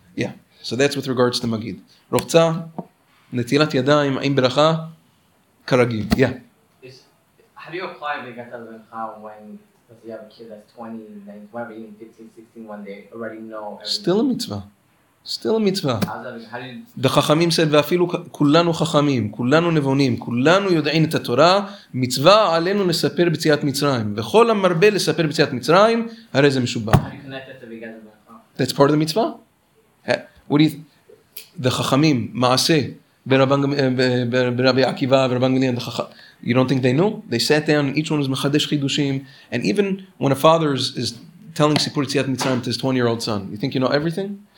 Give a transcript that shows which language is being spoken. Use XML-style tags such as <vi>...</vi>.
<en>Yeah, so that's with regards to Magid. Rochtza, Netilat Yadayim, Aim Beracha, Karagim. Yeah. How do you apply Yigatel Mincha when you have a kid that's 20, 19, 15, 16, one day, already know everything? Still a mitzvah. still a mitzvah. How the chachamim said,</en> <he>ואפילו כולנו חכמים, כולנו נבונים, כולנו יודעים את התורה, מצווה עלינו לספר ביציאת מצרים. וכל המרבה לספר ביציאת מצרים, הרי זה משובח.</he> <en>How do you connect that to Veganism? That's part of the mitzvah? What do you think? The chachamim, מעשה, ברבי עקיבא ורבן גמליאל, you don't think they knew? They sat down and each one was</en> <he>מחדש חידושים.</he> <en>And even when a father is telling Sipur Tziat Mitzrayim to his 20-year-old son, you think you know everything?</en>